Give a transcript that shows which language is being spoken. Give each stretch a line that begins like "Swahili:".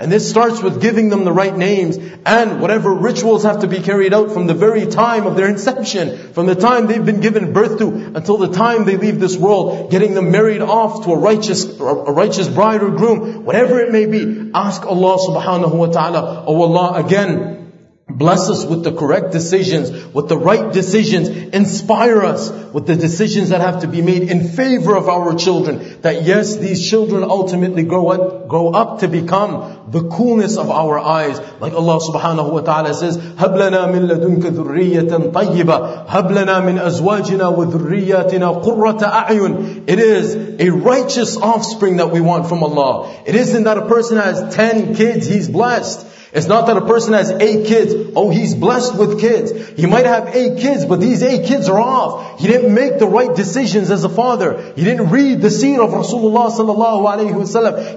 English: And this starts with giving them the right names, and whatever rituals have to be carried out from the very time of their inception, from the time they've been given birth to, until the time they leave this world, getting them married off to a righteous bride or groom, whatever it may be. Ask Allah subhanahu wa ta'ala, O Allah, again, Bless us with the correct decisions, with the right decisions. Inspire us with the decisions that have to be made in favor of our children. That yes, these children ultimately grow up to become the coolness of our eyes.
Arabic: Like Allah subhanahu wa ta'ala says, هَبْلَنَا مِنْ لَدُنْكَ ذُرِّيَّةً طَيِّبًا هَبْلَنَا مِنْ أَزْوَاجِنَا وَذُرِّيَّاتِنَا قُرَّةَ أَعْيُنٍ.
English: It is a righteous offspring that we want from Allah. It isn't that a person has 10 kids, he's blessed. It's not that a person has 8 kids, oh, he's blessed with kids. He might have 8 kids, but these 8 kids are off. He didn't make the right decisions as a father. He didn't read the seerah of Rasulullah sallallahu alayhi wasallam.